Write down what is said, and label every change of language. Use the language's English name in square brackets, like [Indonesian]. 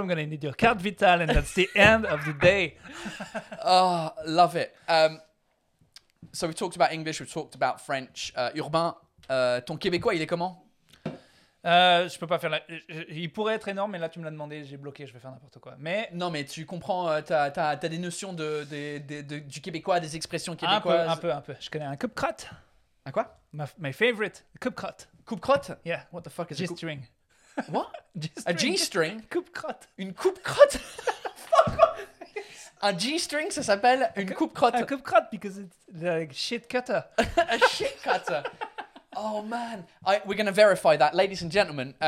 [English] I'm going to need your carte vitale and that's the end of the day. Oh, love it. So we've talked about English, we've talked about French. [French] Urbain, ton Québécois, il est comment? Je peux pas faire la... Il pourrait être énorme, mais là tu me l'as demandé, j'ai bloqué, je vais faire n'importe quoi. Mais... Non, mais tu comprends, t'as des notions du Québécois, des expressions québécoises. Un peu. Je connais un coupe crotte. Un quoi? [English] My favorite, coupe crotte. [French] Coupe crotte? [English] Yeah. What the fuck is G-string. A G-string. What? A G-string? [French] Coupe crotte. Une coupe crotte? Fuck. Un G-string, ça s'appelle une coupe crotte. Un coupe crotte, [English] because it's a shit cutter. A shit cutter. Oh man, we're going to verify that, ladies and gentlemen.